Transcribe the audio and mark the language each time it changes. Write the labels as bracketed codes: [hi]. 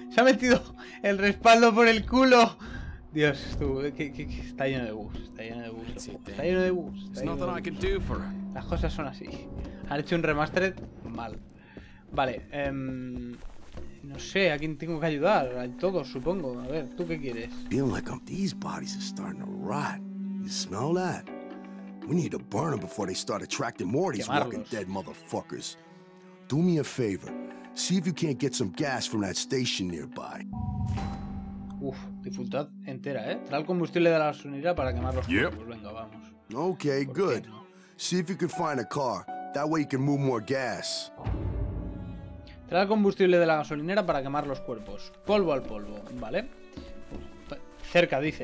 [es] Se ha metido el respaldo por el culo. Dios, tú, ¿qué? Está lleno de bugs. Está lleno de bugs. Las cosas son así. Han hecho un remastered mal. Vale, no sé, ¿a quién tengo que ayudar? A todos, supongo. A ver, ¿tú qué quieres? [en] Feeling like these bodies are starting to rot. You smell that? We need to burn them before they start attracting more of these walking dead motherfuckers. Do me a favor. See if you can't get some gas from that station nearby. [es] Uf, dificultad entera, ¿eh? Trae el combustible de la unidad para quemar los cuerpos. Venga, vamos. [en] Okay, good. See if you can find a car. That way you can move more gas. [es] Trae el combustible de la gasolinera para quemar los cuerpos. Polvo al polvo, ¿vale? Cerca, dice.